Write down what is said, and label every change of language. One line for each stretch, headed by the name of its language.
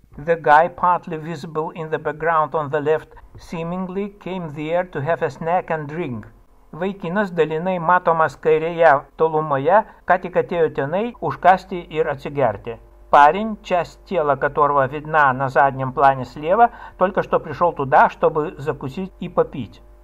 English: The guy partly visible in the background on the left seemingly came there to have a snack and drink.
Lithuanian: Vaikinas dalinai matomas kairėje tolumoje, ką tik atėjo tenai užkasti ir atsigerti.
Russian: Парень, часть тела которого видна на заднем плане слева, только что пришел туда, чтобы закусить и попить.